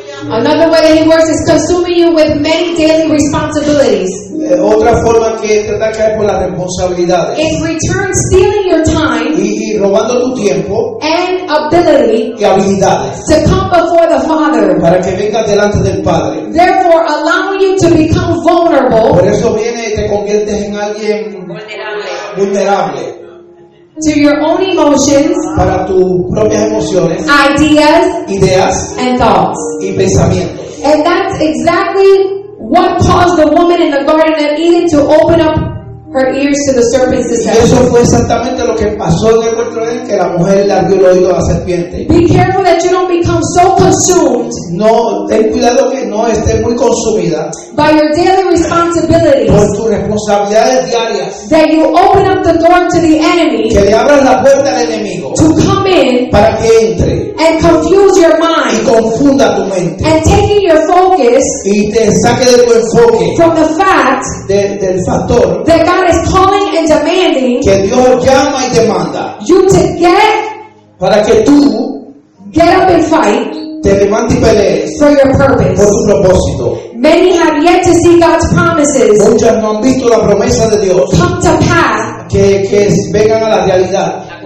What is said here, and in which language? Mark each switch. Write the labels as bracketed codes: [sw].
[en] Another way that he works is consuming you with many daily responsibilities. [es] Otra forma que trata de caer por las responsabilidades. [en] In return, stealing your time [es] y robando tu tiempo [en] and ability [es] y habilidades [en] to come before the Father. [es] Para que vengas delante del Padre. [en] Therefore, allowing you to become vulnerable. [es] Por eso viene y te conviertes en alguien vulnerable. [en] To your own emotions, [es] para tus propias emociones, [en] ideas, and thoughts, [es] y pensamientos. [en] And that's exactly what caused the woman in the garden of Eden to open up her ears to the serpent's deception. [es] Eso fue exactamente lo que pasó en el huerto de Eden, que la mujer le abrió el oído a la serpiente. [en] Be careful that you don't become so consumed. [es] No, ten cuidado que no esté muy consumida. [en] By your daily responsibilities. [es] Por tus responsabilidades diarias. [en] That you open up the door to the enemy. [es] Que le abras la puerta al enemigo. [en] To come in. [es] Para que entre. [en] And confuse your mind. [es] Y confunda tu mente. [en] And taking your focus. [es] Y te saque de tu enfoque. [en] From the fact. [es] Del factor. [en] That God is calling and demanding. [es] Que Dios llama y demanda. [en] You to get. [es] Para que tú. [en] Get up and fight. [es] Te levante y pelees. [en] For your purpose. [es] Por tu propósito. [en] Many have yet to see God's promises. [es] Muchos no han visto la promesa de Dios. [en] Come to pass. [es] Que vengan a la realidad.